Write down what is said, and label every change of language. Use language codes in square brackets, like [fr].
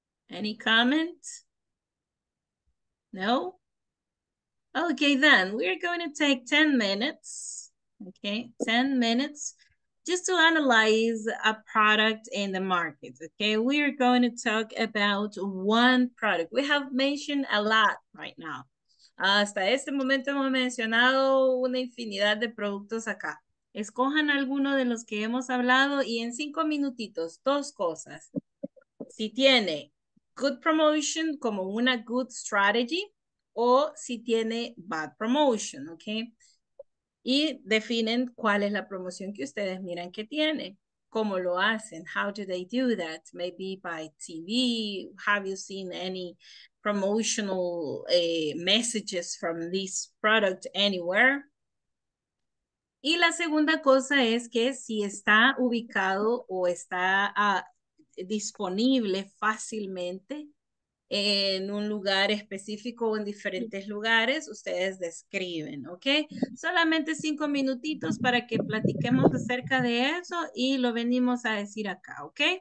[en] Any comment? No? Okay, then we're going to take 10 minutes. Okay, 10 minutes just to analyze a product in the market. Okay, we are going to talk about one product. We have mentioned a lot right now. [es] Hasta este momento hemos mencionado una infinidad de productos acá. Escojan alguno de los que hemos hablado y en 5 minutitos, dos cosas. Si tiene [en] good promotion [es] como una [en] good strategy [es] o si tiene [en] bad promotion, [es] ¿ok? Y definen cuál es la promoción que ustedes miran que tiene. ¿Cómo lo hacen? [en] How do they do that? Maybe by TV. Have you seen any promotional messages from this product anywhere? [es] Y la segunda cosa es que si está ubicado o está disponible fácilmente en un lugar específico o en diferentes lugares, ustedes describen, ¿ok? Solamente 5 minutitos para que platiquemos acerca de eso y lo venimos a decir acá, ¿ok?